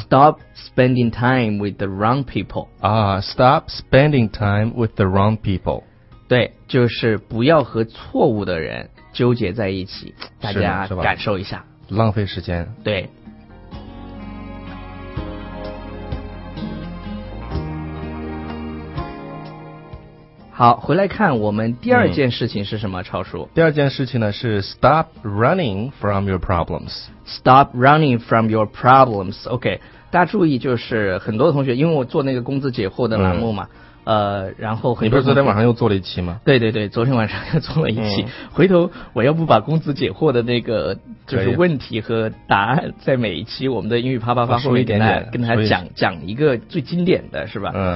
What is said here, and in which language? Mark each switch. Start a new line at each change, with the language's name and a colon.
English: Stop spending time with the wrong people。 Stop spending time with the wrong people。
Chinese: 对，就是不要和错误的人纠结在一起。大家感受一下，浪费时间。对，好，回来看我们第二件事情是什么，超叔？第二件事情呢是
English: stop running from your problems。 Stop running from your problems。
Chinese: OK， 大家注意，就是很多同学，因为我做那个工资解惑的栏目嘛，然后你不是昨天晚上又做了一期吗？对对对，昨天晚上又做了一期。回头我要不把工资解惑的那个就是问题和答案，在每一期我们的英语啪啪啪后面跟他讲一个最经典的是吧？